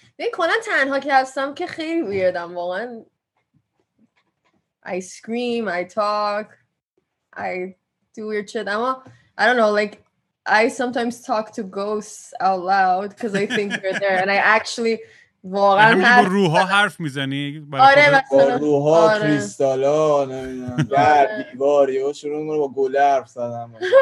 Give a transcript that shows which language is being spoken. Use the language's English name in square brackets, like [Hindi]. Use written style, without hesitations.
[Persian] ببین کلاً تنها که هستم که خیلی ویردم واقعا. [English] I scream, I talk, I do weird shit. اما I don't know, like I sometimes talk to ghosts out loud because I think they're there and I actually واقعا [Persian] با روحا حرف میزنی؟ آره با روحا، کریستالا، نمیدونم دیواری و شروع میکنم با گله حرف زدم.